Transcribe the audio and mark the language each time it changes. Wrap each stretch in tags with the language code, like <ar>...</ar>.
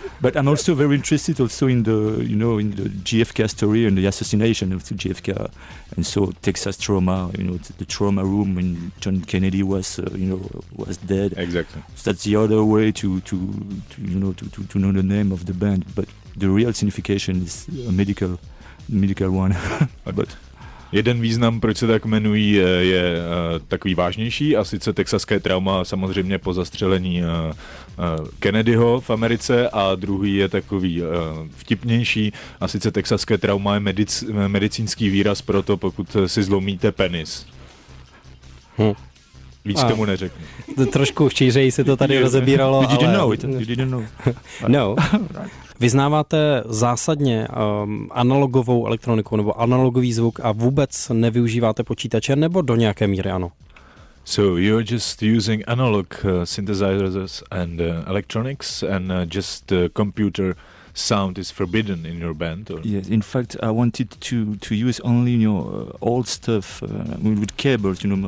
<en>But I'm also very interested also in the, you know, in the JFK story and the assassination of JFK, and so Texas trauma, you know, the trauma room when John Kennedy was was dead. Exactly. So that's the other way to know the name of the band, but the real signification is a medical one. But</en> <cs>jeden význam, proč se tak jmenují, je takový vážnější, a sice texaské trauma samozřejmě po zastřelení Kennedyho v Americe, a druhý je takový vtipnější, a sice texaské trauma je medicínský výraz pro to, pokud si zlomíte penis. Víc tomu neřeknu. Trošku včířeji se to tady rozebíralo.</cs> <en>You didn't know. No.</en> <cs>Vyznáváte zásadně analogovou elektroniku nebo analogový zvuk a vůbec nevyužíváte počítače, nebo do nějaké míry ano?</cs> <en>So you're just using analog synthesizers and electronics, and just computer sound is forbidden in your band? Or? Yes, in fact, I wanted to use only old stuff with cables.</en>